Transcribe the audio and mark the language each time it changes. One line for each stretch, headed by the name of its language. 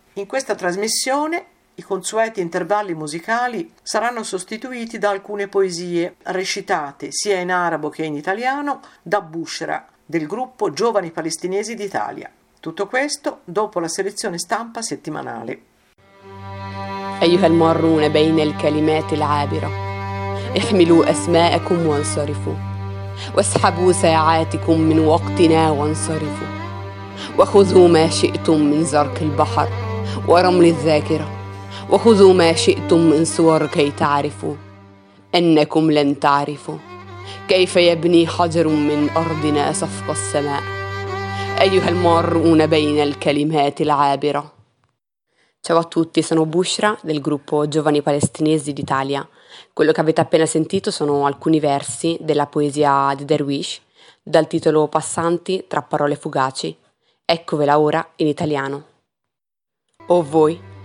Italian: In questa trasmissione i consueti intervalli musicali saranno sostituiti da alcune poesie recitate sia in arabo che in italiano da Bushra, del gruppo Giovani Palestinesi d'Italia. Tutto questo dopo la selezione stampa settimanale.
Arabic: أيها المارون بين الكلمات العابرة احملوا أسماءكم وانصرفوا واسحبوا ساعاتكم من وقتنا وانصرفوا وخذوا ما شئتم من زرق البحر ورمل الذاكرة وخذوا ما شئتم من صور كي تعرفوا أنكم لن تعرفوا كيف يبني حجر من أرضنا صفق السماء أيها المارون بين الكلمات العابرة.
Italian: Ciao a tutti, sono Bushra del gruppo Giovani Palestinesi d'Italia. Quello che avete appena sentito sono alcuni versi della poesia di Darwish dal titolo Passanti tra parole fugaci. Eccovela ora in italiano. O voi,